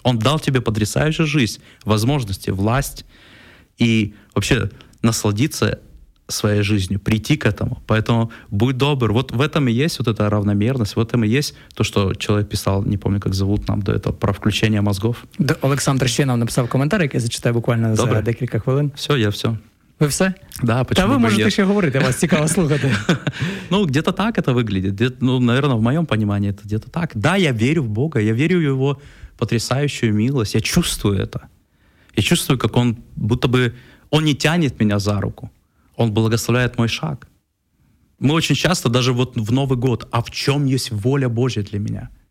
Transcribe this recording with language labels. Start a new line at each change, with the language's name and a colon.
Russian: Он дал тебе потрясающую жизнь, возможности, власть и вообще насладиться своей жизнью, прийти к этому. Поэтому будь добр. Вот в этом и есть вот эта равномерность, в этом и есть то, что человек писал, не помню, как зовут нам до этого, про включение мозгов.
Ukrainian: Да, Олександр ще нам написав коментар, який зачитаю буквально добре. За декілька хвилин.
Russian: Все, я все.
Ukrainian: Ви все?
Russian: Да, почему?
Ukrainian: Та ви можете ще говорити, вас цікаво слухати.
Russian: Ну, где-то так это выглядит. Ну, наверное, в моем понимании это где-то так. Да, я верю в Бога, я верю в его потрясающую милость. Я чувствую это. Я чувствую, как он будто бы, он не тянет меня за руку. Он благословляет мой шаг. Мы очень часто, даже вот в Новый год, а в чем есть воля Божья для меня?